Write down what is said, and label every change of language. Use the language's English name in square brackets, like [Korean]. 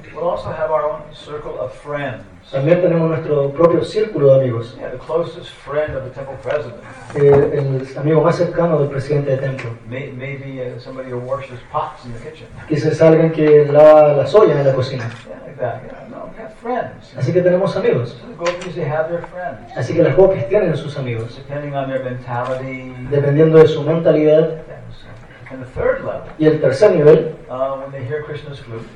[English] we'll also have our own circle of friends. [Spanish] También tenemos nuestro propio círculo de amigos. [English] Yeah, the closest friend of the temple president. [Spanish] El amigo más cercano del presidente del templo. [English] Maybe somebody who washes pots in the kitchen. [Spanish] Quizás alguien que lava las ollas en la cocina. [English] Yeah, friends. [Spanish] Así que tenemos amigos. [English] So the gopis, they have their friends. [Spanish] Así que las gopis tienen sus amigos. [English] Depending on their mentality. [Spanish] Dependiendo de su mentalidad. [English] And the third level, [Spanish] y el tercer nivel, [English] when they hear Krishna's flute,